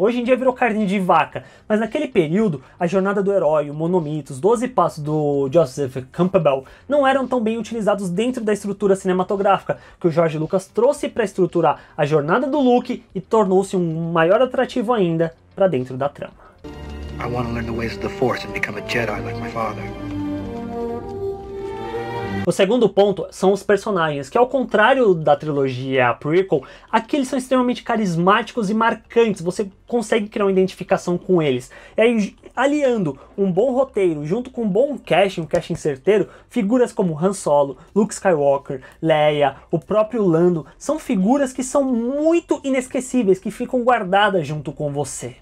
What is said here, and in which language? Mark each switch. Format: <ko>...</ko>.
<pt>Hoje em dia virou carne de vaca, mas naquele período, a jornada do herói, o monomito, os 12 passos do Joseph Campbell, não eram tão bem utilizados dentro da estrutura cinematográfica, que o George Lucas trouxe para estruturar a jornada do Luke e tornou-se um maior atrativo ainda para dentro da trama.</pt> <en>I want to learn the ways of the Force and become a Jedi like my father.</en> <pt>O segundo ponto são os personagens, que ao contrário da trilogia prequel, aqui eles são extremamente carismáticos e marcantes, você consegue criar uma identificação com eles. E aí, aliando um bom roteiro junto com um bom casting, um casting certeiro, figuras como Han Solo, Luke Skywalker, Leia, o próprio Lando, são figuras que são muito inesquecíveis, que ficam guardadas junto com você.</pt>